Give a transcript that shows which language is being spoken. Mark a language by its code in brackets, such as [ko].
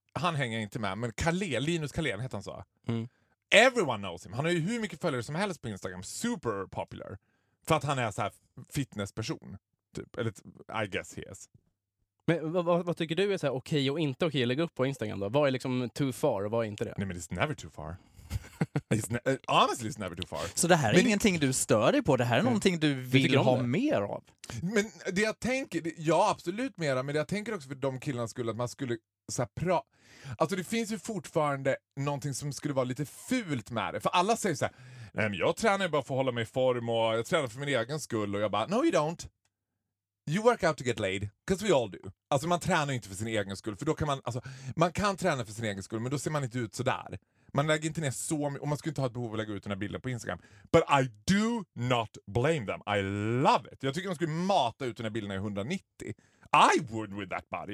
[sv] Han hänger inte med, men Kalén, Linus Kalén heter han så. Mm. [en] Everyone knows him. [sv] Han har ju hur mycket följare som helst på Instagram. [en] Super popular. [sv] För att han är så här fitnessperson. Typ. Eller [en] I guess he is. [sv] Men vad tycker du är så här okej och inte okej att lägga upp på Instagram då? Vad är liksom [en] too far [sv] och vad är inte det? Nej, men [en] it's never too far. Honestly, it's never too far. [sv] Så det här är ingenting du stör dig på. Det här är någonting du vill ha mer av. Men det jag tänker, ja absolut mera, men det jag tänker också för de killarnas skull att man skulle så här pra... Alltså det finns ju fortfarande någonting som skulle vara lite fult med det. För alla säger så här, nej men jag tränar ju bara för att hålla mig i form och jag tränar för min egen skull. Och jag bara, [en] no you don't. You work out to get laid, because we all do. [sv] Alltså man tränar ju inte för sin egen skull, för då kan man, alltså man kan träna för sin egen skull, men då ser man inte ut så där. Man lägger inte ner så mycket, och man skulle inte ha ett behov att lägga ut den här bilden på Instagram. [en] But I do not blame them. I love it. [sv] Jag tycker man skulle mata ut den här bilden i 190. [en] I would with that body.